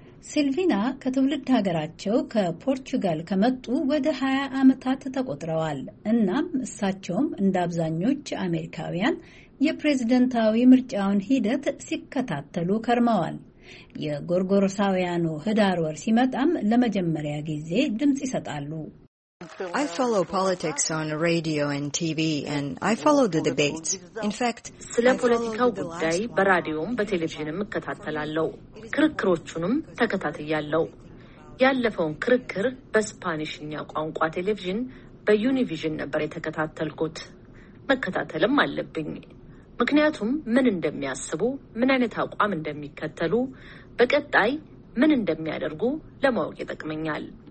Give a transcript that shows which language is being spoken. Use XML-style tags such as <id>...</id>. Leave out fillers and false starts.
<am>ሲልቪና ከትውልድ ሀገራቸው ከፖርቹጋል ከመጡ ወደ 20 ዓመታት ተቆጥረዋል። እናም እሳቸውም እንደ አብዛኞቹ አሜሪካውያን የፕሬዝዳንታዊ ምርጫውን ሂደት ሲከታተሉ ከርመዋል። የጎርጎሮሳውያኑ ህዳር ወር ሲመጣም ለመጀመሪያ ጊዜ ድምጽ ይሰጣሉ።</am> <en>I follow politics on radio and TV and I follow the debates. In fact,</en> <am>ስለ ፖለቲካው ጉዳይ በራዲዮም በቴሌቪዥንም እከታተላለሁ። ክርክሮቹንም ተከታተያለሁ። ያለፈውን ክርክር በስፓኒሽኛ ቋንቋ ቴሌቪዥን በዩኒቪዥን ነበር የተከታተልኩት። መከታተልም አለብኝ። ምክንያቱም ምን እንደሚያስቡ፣ ምን አይነት አቋም እንደሚከተሉ፣ በቀጣይ ምን እንደሚያደርጉ ለማወቅ ይጠቅመኛል።</am>